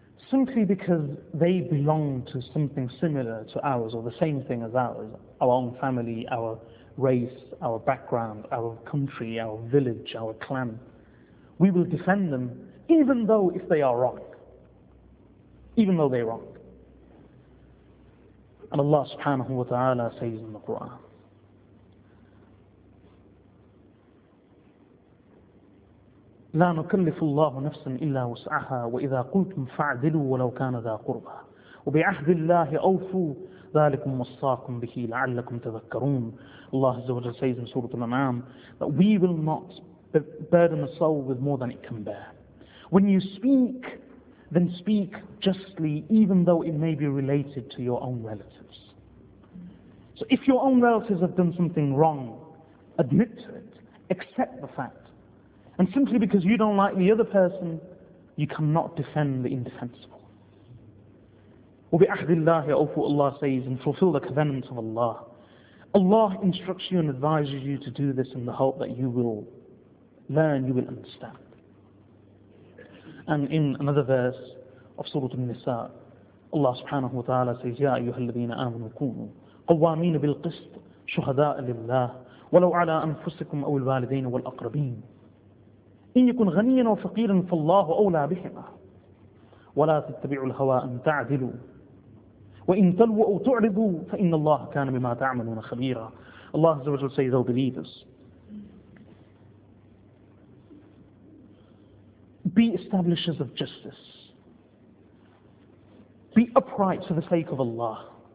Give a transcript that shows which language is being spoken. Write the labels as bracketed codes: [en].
[en] simply because they belong to something similar to ours, or the same thing as ours, our own family, our race, our background, our country, our village, our clan, we will defend them, even though if they are wrong. Even though they are wrong. And Allah subhanahu wa ta'ala says in the Quran, [ar] لا نكلف الله نفسا إلا وسعها وإذا قلتم فاعدلوا ولو كان ذا قربى وبعهد الله أوفوا ذلكم وصاكم به لعلكم تذكرون. [en] Allah Azza wa Jal says in Surah Al-An'am that we will not burden a soul with more than it can bear. When you speak, then speak justly, even though it may be related to your own relatives. So if your own relatives have done something wrong, admit to it, accept the fact. And simply because you don't like the other person, you cannot defend the indefensible. [ar] وَبِأَحْدِ اللَّهِ أَوْفُوا, [en] Allah says, and fulfill the covenant of Allah. Allah instructs you and advises you to do this in the hope that you will learn, you will understand. And in another verse of Surah An-Nisa, Allah subhanahu wa ta'ala says, [ar] يَا أَيُّهَا الَّذِينَ آمَنُوا كُونُوا قَوَّامِينَ بِالْقِسْطِ شُهَدَاءَ لِلَّهِ وَلَوْ عَلَىٰ أَنفُسِكُمْ أَوِ الْوَالِدَيْنَ وَالْأَقْرَبِينَ إن يكن غنيا وفقيرا فالله أولى بهما ولا تتبعوا الهوى أن تعدلوا وإن تلووا أو تعرضوا فإن الله كان بما تعملون خبيرا. [en] Allah Azza wa Jal says, O believers, be establishers of justice, Be upright for the sake of Allah.